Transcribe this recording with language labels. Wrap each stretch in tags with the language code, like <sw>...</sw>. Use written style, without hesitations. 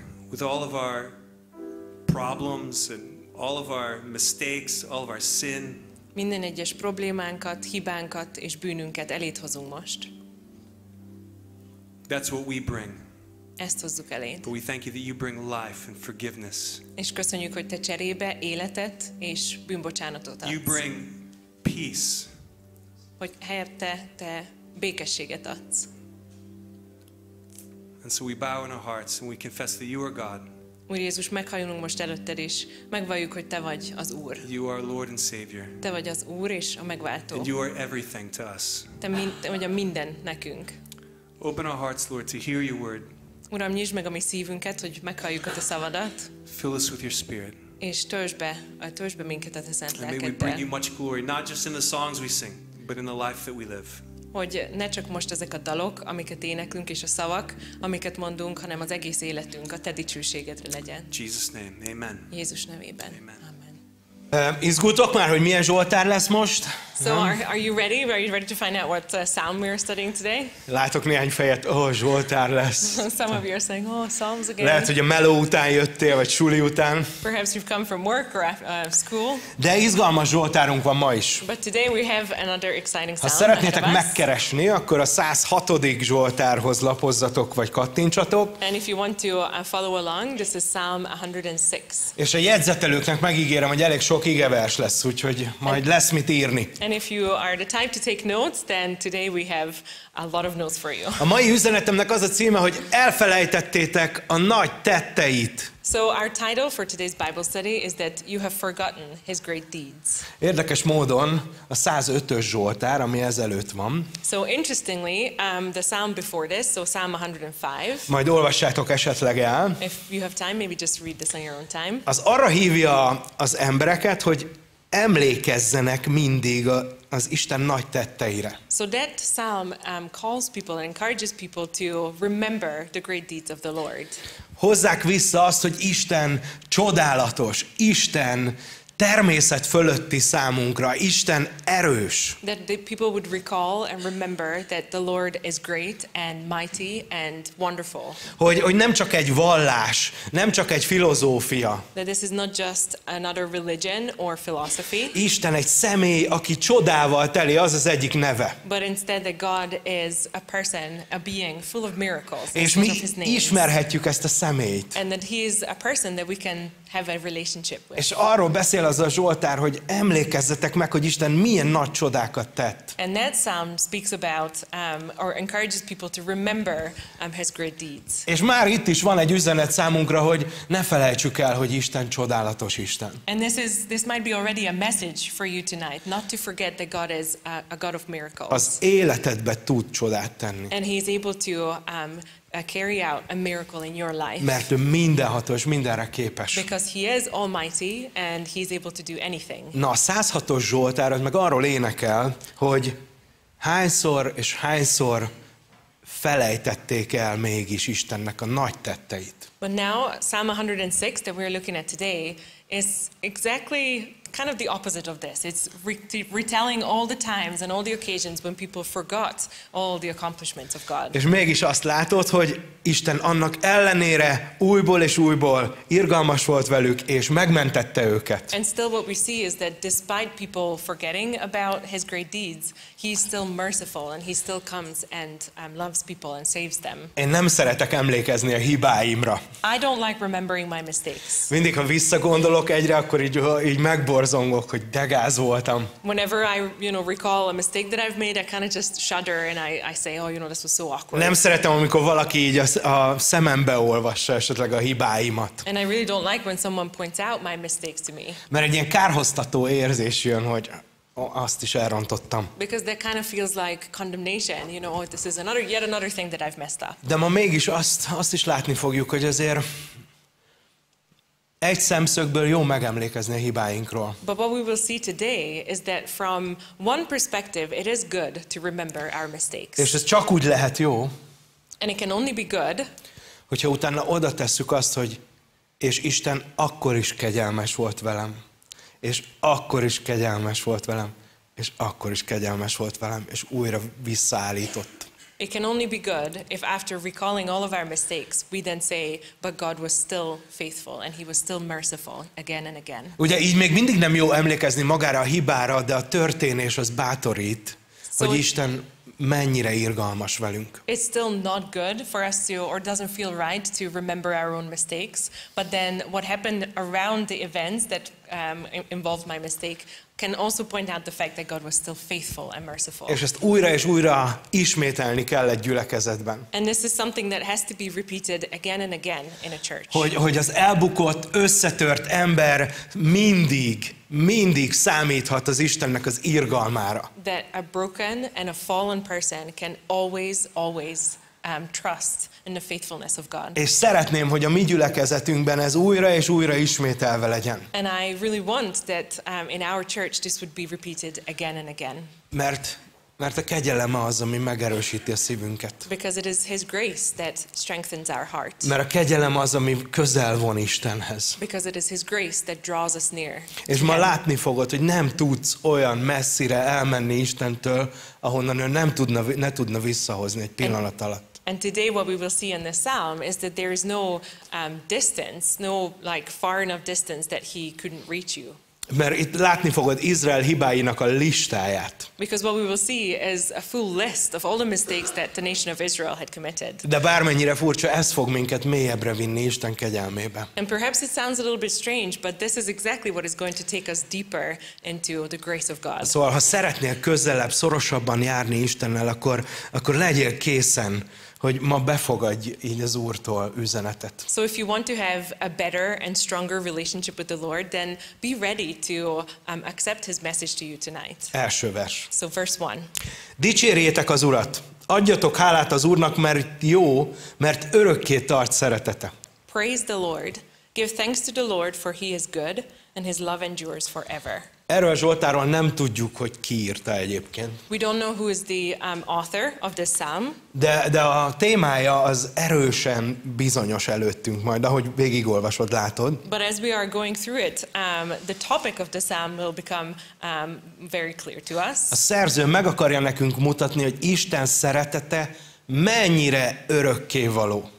<en>With all of our problems and all of our mistakes, all of our sin.</en> <hu>Minden egyes problémánkat, hibánkat és bűnünket elét hozunk most.</hu> <en>That's what we bring.</en> <hu>Ezt hozzuk eléd.</hu> <en>But we thank you that you bring life and forgiveness.</en> <hu>És köszönjük, hogy te cserébe életet és bűnbocsánatot adsz.</hu> <en>You bring peace.</en> <hu>Hogy helyette te békességet adsz.</hu> <en>And so we bow in our hearts and we confess that you are God.</en> <hu>Úr Jézus, meghajolunk most előtted is, megvalljuk, hogy te vagy az Úr.</hu> <en>You are Lord and Savior.</en> <hu>Te vagy az Úr és a megváltó.</hu> <en>And you are everything to us.</en> <hu>Te vagy a minden nekünk.</hu> <en>Open our hearts, Lord, to hear your word.</en> <hu>Uram, nyisd meg a mi szívünket, hogy meghalljuk a te szavadat.</hu> <en>Fill us with your spirit.</en> <hu>És töltsd be minket a te szent lelkeddel.</hu> <en>And may we bring you much glory, not just in the songs we sing, but in the life that we live.</en> <hu>Hogy ne csak most ezek a dalok, amiket éneklünk, és a szavak, amiket mondunk, hanem az egész életünk a te dicsőségedre legyen.</hu> <en>Jesus name, amen.</en> <hu>Jézus nevében. Amen. Izgultok már, hogy milyen Zsoltár lesz most?</hu> <en>So are you ready? Are you ready to find out what psalm we are studying today?</en> <hu>Látok néhány fejet, Zsoltár lesz.</hu> <en>Some of you are saying, oh, psalms again.</en> <hu>Lehet, hogy a meló után jöttél, vagy suli után.</hu> <en>Perhaps you've come from work or school.</en> <hu>De izgalmas Zsoltárunk van ma is.</hu> <en>But today we have another exciting psalm.</en> <hu>Ha szeretnétek megkeresni, akkor a 106. Zsoltárhoz lapozzatok, vagy kattintsatok.</hu> <en>And if you want to follow along, this is psalm 106.</en> <hu>És a jegyzetelőknek megígérem, hogy elég sok igevers lesz, úgyhogy majd lesz mit írni.</hu> <en>And if you are the type to take notes, then today we have a lot of notes for you.</en> <hu>A mai üzenetemnek az a címe, hogy elfelejtettétek a nagy tetteit.</hu> <en>So our title for today's Bible study is that you have forgotten his great deeds.</en> <hu>Érdekes módon a 105-ös Zsoltár, ami ezelőtt van.</hu> <en>So interestingly, the psalm before this, so Psalm 105.</en> <hu>Majd olvassátok esetleg el.</hu> <en>If you have time, maybe just read this on your own time.</en> <hu>Az arra hívja az embereket, hogy emlékezzenek mindig az Isten nagy tetteire.</hu> <en>So that psalm calls people and encourages people to remember the great deeds of the Lord.</en> <hu>Hozzák vissza azt, hogy Isten csodálatos, Isten természet fölötti számunkra, Isten erős.</hu> <en>That the people would recall and remember that the Lord is great and mighty and wonderful.</en> <hu>Hogy nem csak egy vallás, nem csak egy filozófia.</hu> <en>That this is not just another religion or philosophy.</en> <hu>Isten egy személy, aki csodával teli, az az egyik neve.</hu> <en>But instead that God is a person, a being full of miracles.</en> <hu>És mi ismerhetjük ezt a személyt.</hu> <en>And that he is a person that we can have a relationship with.</en> <hu>És arról beszél az a Zsoltár, hogy emlékezzetek meg, hogy Isten milyen nagy csodákat tett.</hu> <en>And that psalm speaks about or encourages people to remember his great deeds.</en> <hu>És már itt is van egy üzenet számunkra, hogy ne felejtsük el, hogy Isten csodálatos Isten.</hu> <en>And this might be already a message for you tonight, not to forget that God is a God of miracles.</en> <hu>Az életedbe tud csodát tenni.</hu> <en>And he is able to carry out a miracle in your life.</en> <hu>Mert ő mindenható és mindenre képes.</hu> <en>Because he is almighty and he is able to do anything.</en> <hu>Na, a 106-os Zsoltár meg arról énekel, hogy hányszor és hányszor felejtették el mégis Istennek a nagy tetteit.</hu> <en>But now Psalm 106 that we're looking at today is exactly kind of the opposite of this. It's retelling all the times and all the occasions when people forgot all the accomplishments of God.</en> <hu>És mégis azt látod, hogy Isten annak ellenére újból és újból irgalmas volt velük és megmentette őket.</hu> <en>And still what we see is that despite people forgetting about his great deeds, he's still merciful and he still comes and loves people and saves them.</en> <hu>Én nem szeretek emlékezni a hibáimra.</hu> <en>I don't like remembering my mistakes.</en> <hu>Mindig ha visszagondolok egyre, akkor így megborzongok, hogy de gáz voltam.</hu> <en>Whenever I, you know, recall a mistake that I've made, I kind of just shudder and I say, oh, you know, this was so awkward.</en> <hu>Nem szeretem, amikor valaki így a szemembe olvassa esetleg a hibáimat.</hu> <en>And I really don't like when someone points out my mistakes to me.</en> <hu>Mert egy ilyen kárhoztató érzés jön, hogy azt is elrontottam.</hu> <en>Because that kind of feels like condemnation, you know, this is another yet another thing that I've messed up.</en> <hu>De ma mégis azt is látni fogjuk, hogy azért egy szemszögből jó megemlékezni a hibáinkról.</hu> <en>But what we will see today is that from one perspective it is good to remember our mistakes.</en> <hu>És ez csak úgy lehet jó.</hu> <en>And it can only be good.</en> <hu>Hogyha utána oda tesszük azt, hogy és Isten akkor is kegyelmes volt velem. És akkor is kegyelmes volt velem. És akkor is kegyelmes volt velem. És újra visszaállított.</hu> <en>It can only be good if after recalling all of our mistakes, we then say, but God was still faithful, and he was still merciful again and again.</en> <hu>Ugye így még mindig nem jó emlékezni magára a hibára, de a történés az bátorít, hogy Isten mennyire irgalmas velünk.</hu> <en>It's still not good for us to, or doesn't feel right to remember our own mistakes, but then what happened around the events that involved my mistake can also point out the fact that God was still faithful and merciful.</en> <hu>És ezt újra és újra ismételni kell egy gyülekezetben.</hu> <en>And this is something that has to be repeated again and again in a church.</en> <hu>Hogy az elbukott, összetört ember mindig számíthat az Istennek az irgalmára.</hu> <en>That a broken and a fallen person can always trust in the faithfulness of God.</en> <hu>És szeretném, hogy a mi gyülekezetünkben ez újra és újra ismételve legyen.</hu> <en>And I really want that in our church this would be repeated again and again.</en> <hu>Mert a kegyelem az, ami megerősíti a szívünket.</hu> <en>Because it is his grace that strengthens our heart.</en> <hu>Mert a kegyelem az, ami közel von Istenhez.</hu> <en>Because it is his grace that draws us near.</en> <hu>És ma látni fogod, hogy nem tudsz olyan messzire elmenni Istentől, ahonnan ő ne tudna visszahozni egy pillanat alatt.</hu> <en>And today what we will see in this psalm is that there is no distance, no like far enough distance that he couldn't reach you.</en> <hu>Mert itt látni fogod Izrael hibáinak a listáját.</hu> <en>Because what we will see is a full list of all the mistakes that the nation of Israel had committed.</en> <hu>De bármennyire furcsa, ez fog minket mélyebbre vinni Isten kegyelmébe.</hu> <en>And perhaps it sounds a little bit strange, but this is exactly what is going to take us deeper into the grace of God.</en> <hu>Szóval, ha szeretnél közelebb, szorosabban járni Istennel, akkor legyél készen, hogy ma befogadj így az Úrtól üzenetet.</hu> <en>So if you want to have a better and stronger relationship with the Lord, then be ready to accept his message to you tonight.</en> <hu>Első vers.</hu> <en>So verse 1.</en> <hu>Dicsérjétek az Urat. Adjatok hálát az Úrnak, mert jó, mert örökké tart szeretete.</hu> <en>Praise the Lord. Give thanks to the Lord, for he is good, and his love endures forever.</en> <hu>Erről a Zsoltárról nem tudjuk, hogy ki írta egyébként.</hu> <en>We don't know who is the author of this psalm.</en> <hu>De a témája az erősen bizonyos előttünk majd, ahogy végigolvasod, látod.</hu> <en>But as we are going through it, the topic of the psalm will become very clear to us.</en> <hu>A szerző meg akarja nekünk mutatni, hogy Isten szeretete mennyire örökkévaló.</hu>